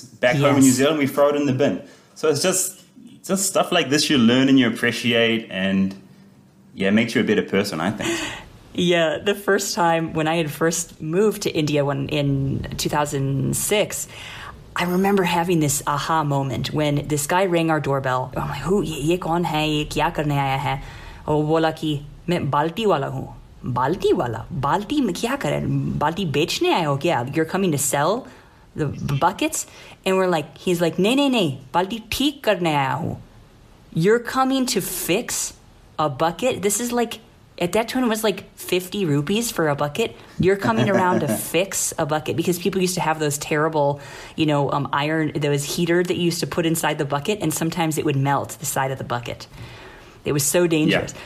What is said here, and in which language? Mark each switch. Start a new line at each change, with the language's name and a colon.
English: Back home in New Zealand, we throw it in the bin. So it's just stuff like this you learn and you appreciate, and yeah, it makes you a better person, I think. Yeah, the first time when I had first moved to India in 2006, I remember having this aha moment when this guy rang our doorbell. I'm like,
Hindi: "Who? ये कौन है? ये क्या करने आया है?" Oh, बोला कि मैं बाल्टी वाला हु. बाल्टी वाला? बाल्टी में क्या कर रहा है? बाल्टी बेचने आया हो क्या?
English: You're coming to sell the buckets? And we're like, he's like, "Nay, nay, nay.
Hindi: Balti theek karne aaya hu.
English: You're coming to fix a bucket? This is like, at that time, it was like 50 rupees for a bucket. You're coming around to fix a bucket," because people used to have those terrible, you know, iron, those heater that you used to put inside the bucket, and sometimes it would melt the side of the bucket. It was so dangerous. Yeah.